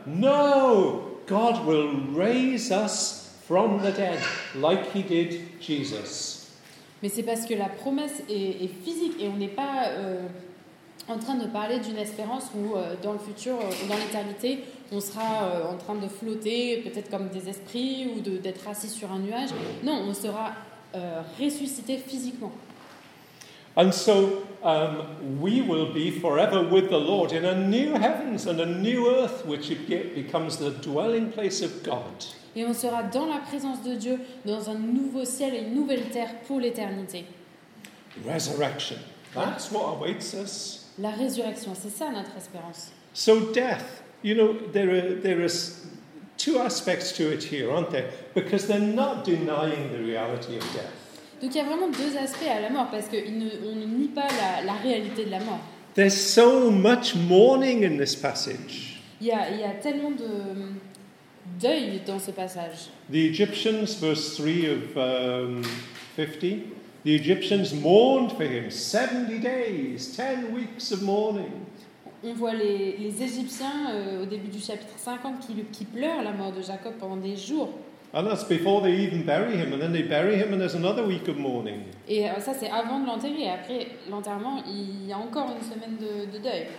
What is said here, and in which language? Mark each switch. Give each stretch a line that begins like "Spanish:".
English: No! God will raise us from the dead like he did Jesus.
French: Mais c'est parce que la promesse est physique et on n'est pas en train de parler d'une espérance où dans le futur, dans l'éternité, on sera en train de flotter peut-être comme des esprits ou d'être assis sur un nuage. Non, on sera ressuscité physiquement.
English: And so we will be forever with the Lord in a new heavens and a new earth which becomes the dwelling place of God.
French: Et on sera dans la présence de Dieu, dans un nouveau ciel et une nouvelle terre pour l'éternité.
English: Resurrection. That's what awaits us.
French: La résurrection, c'est ça notre espérance.
English: So death, you know, there are two aspects to it here, aren't there? Because they're not denying the reality of death.
French: Donc il y a vraiment deux aspects à la mort, parce qu'on ne nie pas la réalité de la mort.
English: There's so much mourning in this passage.
French: Il y a tellement de deuil dans ce passage.
English: The Egyptians, verse 3 of 50, the Egyptians mourned for him 70 days, 10 weeks of mourning.
French: On voit les Égyptiens au début du chapitre 50 qui pleurent la mort de Jacob pendant des jours.
English: And that's before they even bury him, and then they bury him, and there's another week of mourning.
French: Et ça, c'est avant de l'enterrer. Après l'enterrement, il y a encore une semaine de deuil.